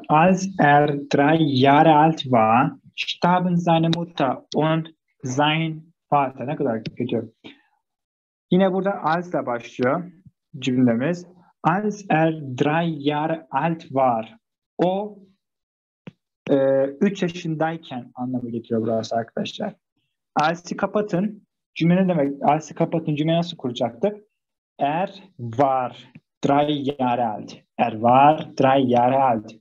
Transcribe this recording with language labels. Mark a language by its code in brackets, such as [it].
[de] Als er drei Jahre alt war, starben seine Mutter und sein Vater. [tr] Ne kadar geçiyor? Yine burada als ile başlıyor cümlemiz. [de] Als er drei Jahre alt war. [tr] O 3 yaşındayken anlamı getiriyor burası arkadaşlar. Als'i kapatın. Cümle ne demek? Als'i kapatın. Cümle nasıl kuracaktık? [de] Er war drei Jahre alt. Er war drei Jahre alt.